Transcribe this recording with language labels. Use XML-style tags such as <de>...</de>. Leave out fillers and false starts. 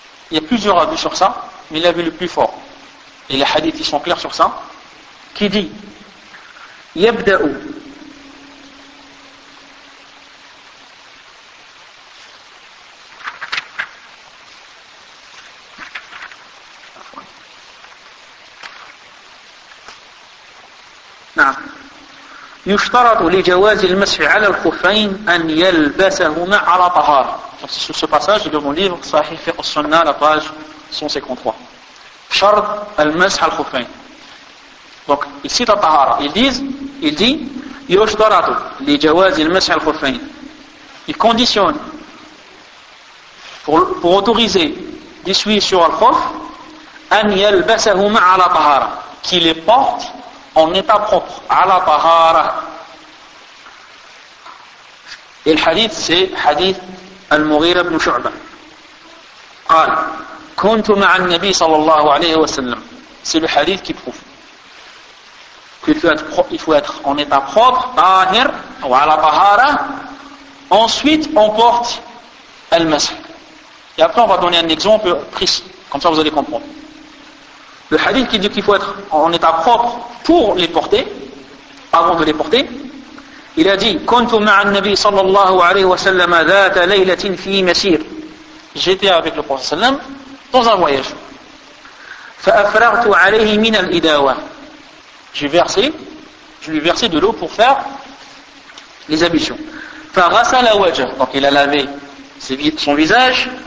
<fr>Il y a plusieurs avis sur ça, mais l'avis le plus fort, et les hadiths ils sont clairs sur ça, qui dit Yabda'u</fr> <ar>يشترط لجواز المسح على الخفين أن يلبسهما على طهارة.</ar> <fr>Sur ce passage de mon livre Sahih Fiqh Sunna, la page 153.</fr> <ar>شرط المسح الخفين.</ar> <fr>Donc il cite طهارة. Il dit</fr> <ar>يشترط لجواز المسح الخفين.</ar> <fr>Il conditionne pour autoriser d'essuyer sur le خف</fr> <ar>أن يلبسهما على طهارة.</ar> <fr>Qui les porte en état propre.</fr> <ar>على طهارة.</ar> <fr>Et le hadith, c'est hadith Al-Mughira ibn Shu'ba.</fr> <ar>قال كنت مع النبي صلى الله عليه وسلم.</ar> <fr>C'est le hadith qui prouve qu'il faut être en état propre, tahir, ou à la tahara. Ensuite, on porte Al-Masih. Et après, on va donner un exemple précis. Comme ça, vous allez comprendre. Le hadith qui dit qu'il faut être en état propre pour les porter, avant de les porter. Il a dit,</fr> <ar>كنت مع النبي صلى الله عليه وسلم ذات ليلة في مسير.</ar> <fr>J'étais avec le Prophète صلى الله عليه وسلم dans un voyage.</fr> <ar>فأفرغت عليه من الإداوة.</ar> <fr>Je lui versais de l'eau pour faire les ablutions.</fr> <ar>فغسل وجهه.</ar> <fr>Donc il a lavé son visage.</fr>